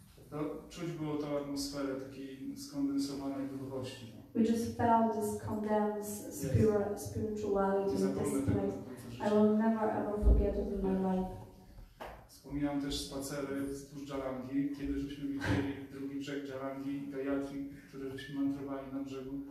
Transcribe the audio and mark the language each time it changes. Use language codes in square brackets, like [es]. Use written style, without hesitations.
[pl] To czuć było tą atmosferę takiej skondensowanej duchowości. [en] We just felt this condensed spirituality in this place. I will never ever forget it in my life. [pl] Wspomniałem też spacery wzdłuż Dżalangi, kiedy żeśmy widzieli drugi brzeg Dżalangi, Gayatri, które żeśmy mantrowali na brzegu.